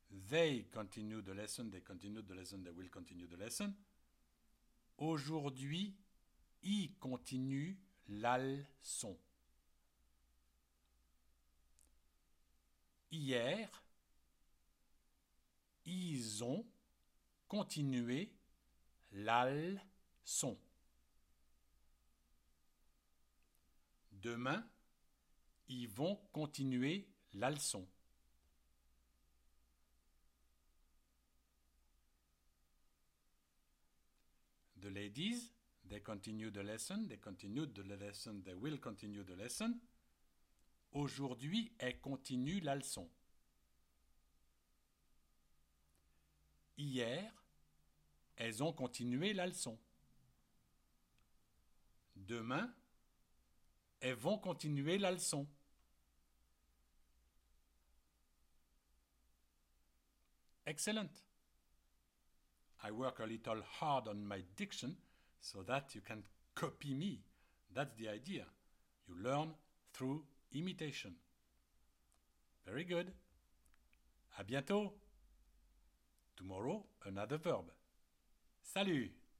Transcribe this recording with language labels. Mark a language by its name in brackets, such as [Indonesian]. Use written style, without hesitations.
[English] They continue the lesson, they continue the lesson, they will continue the lesson. [French] Aujourd'hui, il continue la leçon. Hier, ils ont continué la leçon. Demain, ils vont continuer la leçon. [English] The ladies, they continue the lesson, they continued the lesson, they will continue the lesson. [French] Aujourd'hui, elles continuent la leçon. Hier, elles ont continué la leçon. Demain, elles vont continuer la leçon. [English] Excellent. I work a little hard on my diction so that you can copy me. That's the idea. You learn through imitation. Very good. [French] À bientôt. [English] Tomorrow, another verb. [French] Salut.